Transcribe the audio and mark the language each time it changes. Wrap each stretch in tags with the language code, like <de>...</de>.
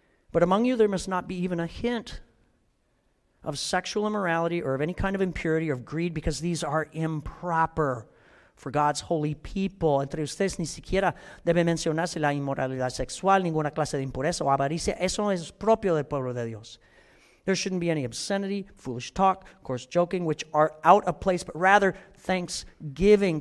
<en>But among you there must not be even a hint of sexual immorality or of any kind of impurity or of greed, because these are improper for God's holy people.</en> <es>Entre ustedes ni siquiera debe mencionarse la inmoralidad sexual, ninguna clase de impureza o avaricia. Eso es propio del pueblo de Dios.</es> <en>There shouldn't be any obscenity, foolish talk, coarse joking, which are out of place, but rather thanksgiving.</en>